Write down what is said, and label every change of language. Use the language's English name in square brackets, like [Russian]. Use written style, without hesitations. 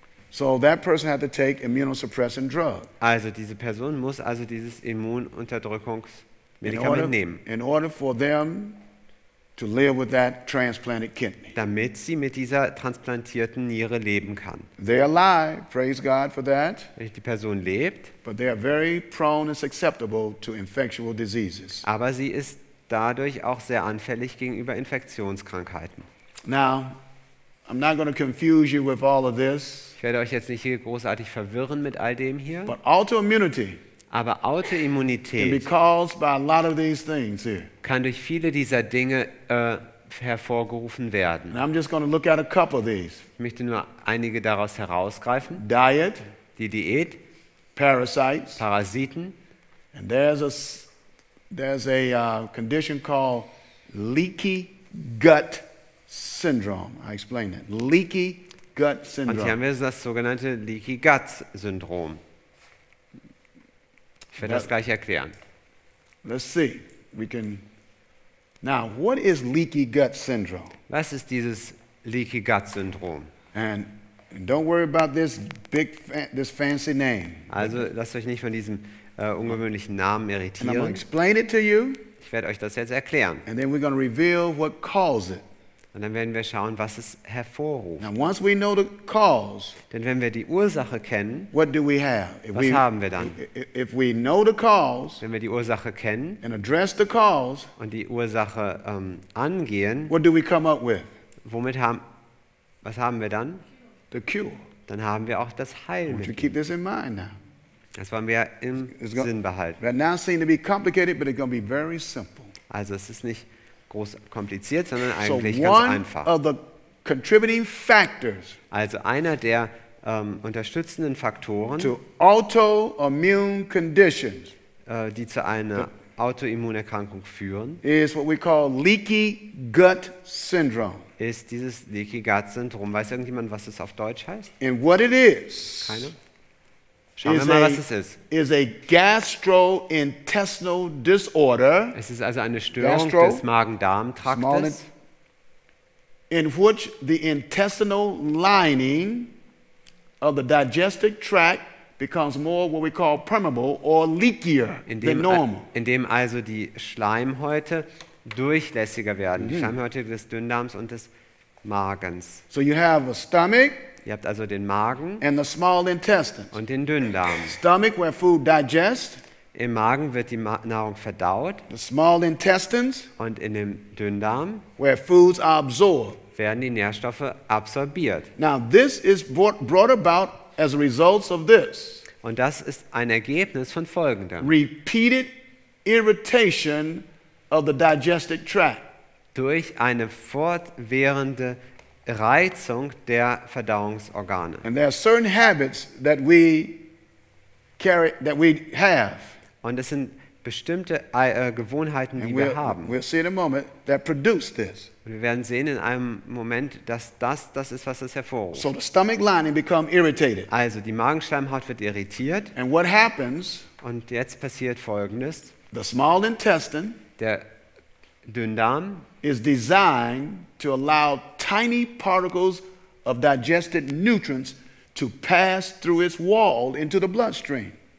[English] So that person had to take immunosuppressant drug. [German] Also diese Person muss also dieses Immununterdrückungsmedikament nehmen. [English] In order for them to live with that transplanted kidney. [German] Damit sie mit dieser transplantierten Niere leben kann. [English] They're alive, praise God for that. [German] Die Person lebt. [English] But they are very prone and susceptible to infectious diseases. [German] Aber sie ist dadurch auch sehr anfällig gegenüber Infektionskrankheiten. [English] Now, I'm not going to confuse you with all of this. [German] Ich werde euch jetzt nicht hier großartig verwirren mit all dem hier. [English] But autoimmunity. [German] Aber Autoimmunität [English] can be caused by a lot of these things here. [German] Kann durch viele dieser Dinge hervorgerufen werden. [English] And I'm just going to look at a couple of these. [German] Ich möchte nur einige daraus herausgreifen. [English] Diet. [German] Die Diät. [English] Parasites. [German] Parasiten. [English] And there's a condition called leaky gut syndrome. I explained it. Leaky gut syndrome. [German] Und hier haben wir das sogenannte leaky gut Syndrom. Ich werde das gleich erklären. [English] Let's see. We can. Now, what is leaky gut syndrome? [German] Was ist dieses leaky gut Syndrom? [English] And don't worry about this big, this fancy name. [German] Also lasst euch nicht von diesem ungewöhnlichen Namen irritieren. [English] And I'm gonna explain it to you. [German] Ich werde euch das jetzt erklären. [English] And then we're gonna reveal what caused it. [German] Und dann werden wir schauen, was es hervorruft. [English] Now, once we know the cause, [German] denn wenn wir die Ursache kennen, [English] what do we have? [German] Was haben wir dann? [English] If we know the cause, [German] wenn wir die Ursache kennen [English] and address the cause, [German] und die Ursache angehen, [English] what do we come up with? [German] Womit was haben wir dann? [English] The cure. [German] Dann haben wir auch das Heilmittel. [English] You keep this in mind now. [German] Das wollen wir im Sinn behalten. [English] Right now seem to be complicated, but it's going to be very simple. [German] Also es ist nicht groß kompliziert, sondern eigentlich so ganz einfach. [English] Of the contributing factors, [German] also einer der unterstützenden Faktoren, [English] to autoimmune conditions, [German] die zu einer Autoimmunerkrankung führen, [English] is what we call leaky gut syndrome. [German] Ist dieses leaky gut Syndrome. Weiß irgendjemand, was es auf Deutsch heißt? [English] And what it is, [German] keine? Schauen wir mal, was es ist. [English] Is a gastrointestinal disorder. [German] Es ist also eine Störung des Magen-Darm-Traktes, [English] in which the intestinal lining of the digestive tract becomes more what we call permeable or leakier than normal. [German] In dem also die Schleimhäute durchlässiger werden, die Schleimhäute des Dünndarms und des Magens. [English] So you have a stomach. [German] Ihr habt also den Magen [English] and the small intestines. [German] Und den Dünndarm. [English] Stomach where food digest. [German] Im Magen wird die Nahrung verdaut. [English] The small intestines. [German] Und in dem Dünndarm [English] where foods are absorbed. [German] Werden die Nährstoffe absorbiert. [English] Now this is brought about as a result of this. [German] Und das ist ein Ergebnis von Folgendem. [English] Repeated irritation of the digestive tract. [German] Durch eine fortwährende Reizung der Verdauungsorgane. [English] And there are certain habits that we carry, that we have. [German] Und es sind bestimmte Gewohnheiten, die wir haben. [English] We'll see in a moment that produce this. [German] Und wir werden sehen in einem Moment, dass das ist, was es hervorruft. [English] So the stomach lining become irritated. [German] Also die Magenschleimhaut wird irritiert. [English] And what happens? [German] Und jetzt passiert Folgendes. [English] The small intestine. [German] Der Dünndarm [English] is designed to allow tiny particles of digested nutrients to pass through its wall into the bloodstream.